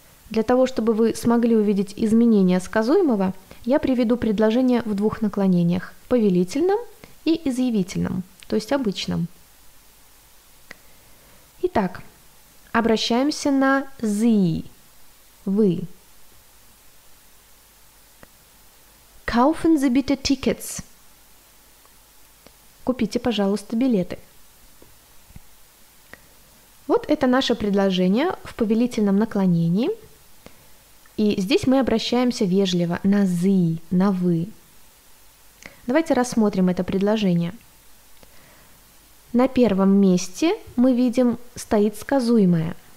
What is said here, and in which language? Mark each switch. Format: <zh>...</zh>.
<ru>Для того, чтобы вы смогли увидеть изменения сказуемого, я приведу предложение в двух наклонениях – повелительном и изъявительном, то есть обычном. Итак, обращаемся на «Sie» – «Вы».</ru> <de>Kaufen Sie bitte Tickets.</de> <ru>Купите, пожалуйста, билеты. Вот это наше предложение в повелительном наклонении. И здесь мы обращаемся вежливо на Sie, на вы. Давайте рассмотрим это предложение. На первом месте мы видим стоит сказуемое.</ru>